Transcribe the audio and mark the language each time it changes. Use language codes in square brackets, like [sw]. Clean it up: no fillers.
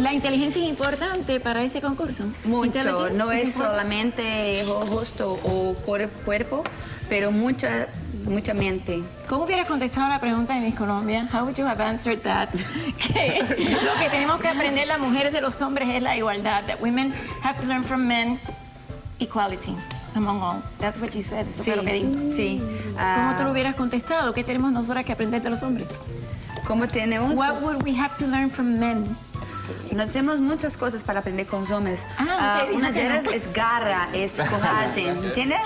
[es] ¿La inteligencia es importante para ese concurso? Mucho. No es solamente rostro o cuerpo, pero mucha... mucha mente. ¿Cómo hubieras contestado la pregunta de Miss Colombia? [en] How would you have answered that? [es] Que lo que tenemos que aprender las mujeres de los hombres es la igualdad. [en] That women have to learn from men equality among all. That's what she said. [es] Eso sí, lo que dijo. Sí. ¿Cómo tú lo hubieras contestado? ¿Qué tenemos nosotras que aprender de los hombres? ¿Cómo tenemos? [en] What would we have to learn from men? [es] Nos tenemos muchas cosas para aprender con los hombres. Ah, una de ellas es garra, es coraje, ¿entiendes?